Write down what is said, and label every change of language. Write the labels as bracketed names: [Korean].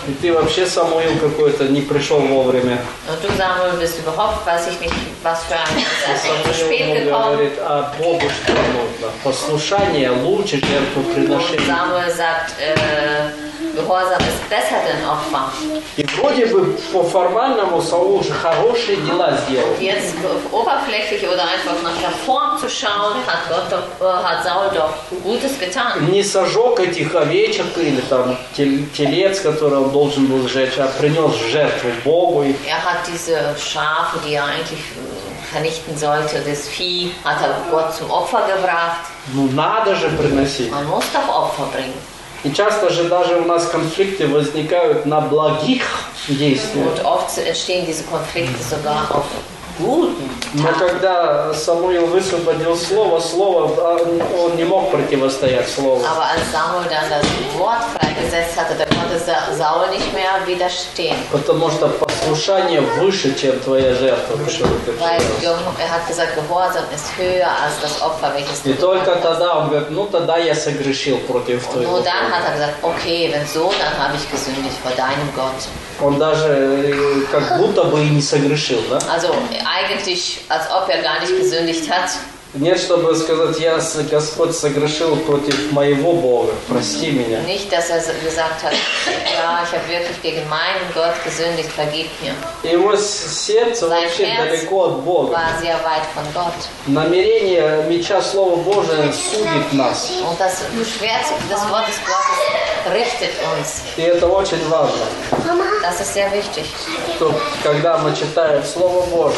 [Russian] И ты вообще, Самуил, какой-то не пришел вовремя. [German] Und du, Samuel, bist überhaupt, weiß ich nicht, was für ein zu spät gekommen. [Russian] А Богу что нужно? Послушание лучше жертвоприношение. [German] Samuel sagt, gehorsames besseren Opfer. [Russian] И вроде бы по формальному Саул уже хорошие дела сделал. [German] Jetzt oberflächlich oder einfach nach der Form zu schauen, hat Saul doch Gutes getan. [Russian] Не сожег этих овечек или там телец, который он должен был сжечь, а принес жертву Богу. [German] Er hat diese Schafe, die er eigentlich vernichten sollte, das Vieh, hat er Gott zum Opfer gebracht. [Russian] Ну надо же приносить. [German] Man muss doch Opfer bringen. [Russian] И часто же даже у нас конфликты возникают на благих действиях. [German] Und oft entstehen diese Konflikte sogar auf guten. [Russian] Но когда Самуил высвободил слово, слово он не мог противостоять слову. [German] Aber als Samuel dann das Wort freigesetzt hatte, dann konnte Saul nicht mehr widerstehen. [Russian] Потому что послушание выше, чем твоя жертва. [German] Weil er hat gesagt, Gehorsam ist höher als das Opfer, welches [Russian] du. И только тогда он говорит, ну тогда я согрешил против твоего. [German] Nur dann hat er gesagt, okay, wenn so, dann habe ich gesündigt vor deinem Gott. [Russian] Он даже как будто бы и не согрешил, да? [German] Also eigentlich, als ob er gar nicht gesündigt hat. [Russian] Нет, чтобы сказать, я Господь согрешил против моего Бога, прости меня. [German] Nicht, dass er gesagt hat, ja, ich habe wirklich gegen meinen Gott gesündigt, vergib mir. [Russian] Его сердце вообще далеко от Бога. [German] War sehr weit von Gott. [Russian] Намерение меча Слова Божия судит нас. [German] Und das Schwert des Wortes Gottes richtet uns. [Russian] И это очень важно. [German] Das ist sehr wichtig. [Russian] То, когда мы читаем Слово Божие.